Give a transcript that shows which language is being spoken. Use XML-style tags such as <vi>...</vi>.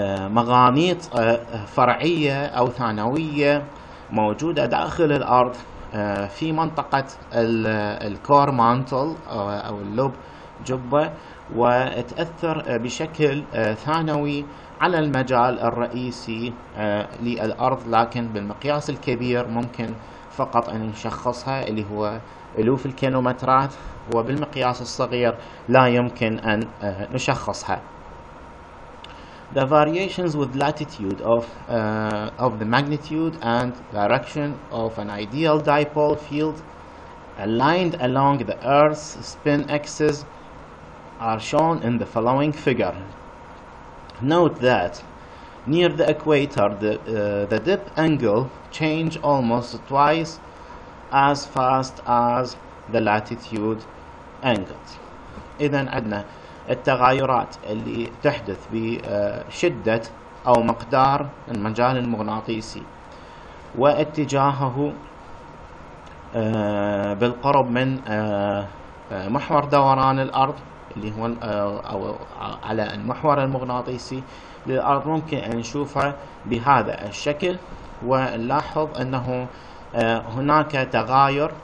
<ar>مغانيط فرعية أو ثانوية موجودة داخل الأرض في منطقة الكور مانتل أو اللوب جبة، وتأثر بشكل ثانوي على المجال الرئيسي للأرض، لكن بالمقياس الكبير ممكن فقط أن نشخصها اللي هو ألوف الكيلومترات، وبالمقياس الصغير لا يمكن أن نشخصها.</ar> <en>The variations with latitude of the magnitude and direction of an ideal dipole field aligned along the Earth's spin axis are shown in the following figure. Note that near the equator, the dip angle change almost twice as fast as the latitude angles.</en> <ar>إذن عندنا التغيرات اللي تحدث بشدة أو مقدار المجال المغناطيسي واتجاهه بالقرب من محور دوران الأرض اللي هو أو على المحور المغناطيسي للأرض، ممكن أن نشوفها بهذا الشكل، ونلاحظ أنه هناك تغاير.</ar>